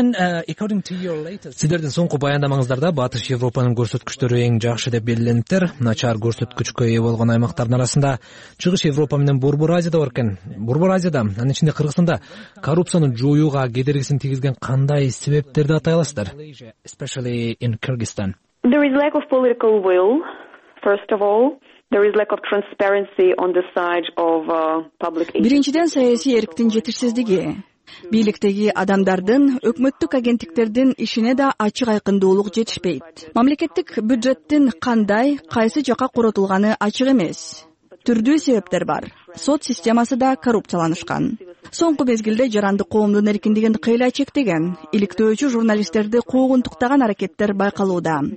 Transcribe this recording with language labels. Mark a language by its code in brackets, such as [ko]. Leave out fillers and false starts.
[ky] Сиздердин соңку баяндамаңыздарда Батыш Европанын көрсөткүчтөрү эң жакшы деп белгилендиптер, начар көрсөткүчкө ээ болгон аймактардын арасында Чыгыш Европа менен Борбор Азия да бар экен. Борбор Азияда, анын ичинде Кыргызстанда коррупцияны жоюуга кедергисин тийгизген кандай себептерди атай аласыздар? [en] There is lack of political will, first of all. There is lack of transparency on the side of public. [ky] Биринчиден, саясий эрктин жетишсиздиги. Бийликтеги адамдардын, өкмөттүк агенттиктердин ишине да ачык айкындуулук жетишпейт. Мамлекеттик бюджеттин кандай, кайсы жака коротулганы ачык эмес. Түрдүү себептер бар. Сот системасы да коррупцияланышкан. Соңку мезгилде жарандык коомдун эркиндигин кыйла чектеген, иликтөөчү журналисттерди куугунтуктаган аракеттер байкалууда.